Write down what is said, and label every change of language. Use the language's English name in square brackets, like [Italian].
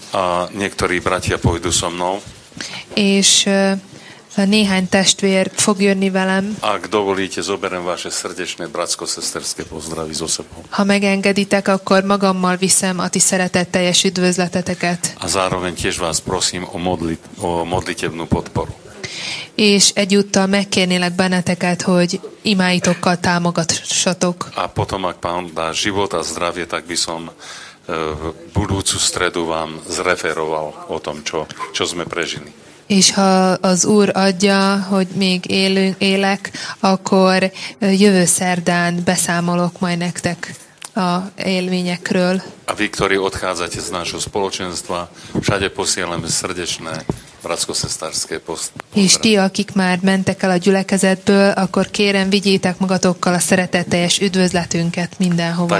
[Slovak] A niektorí bratia pôjdu so mnou. [Hungarian] És néhány testvér fog jönni velem. [Slovak] Ak dovolíte, zoberem vaše srdečné bratsko-sesterské pozdravy zo sebou. [Hungarian] Ha megengeditek, akkor magammal viszem a ti szeretetteljes üdvözleteteket. [Slovak] A zároveň tiež vás prosím o modlitevnú podporu. [Hungarian] És egyúttal megkérnélek benneteket, hogy imáitokkal támogassatok. [Slovak] A potom, ak pán dá život a zdravie, tak by som v budúcu stredu vám zreferoval o tom, čo sme prežili. [Hungarian] És ha az Úr adja, hogy még élek, akkor jövő szerdán beszámolok majd nektek a élményekről. [Slovak] A vy, ktorí odchádzate z nášho spoločenstva, všade posielame srdečné bratsko-sestárske pozdravy. [Hungarian] És ti, akik már mentek el a gyülekezetből, akkor kérem, vigyétek magatokkal a szeretetteljes üdvözletünket mindenhová.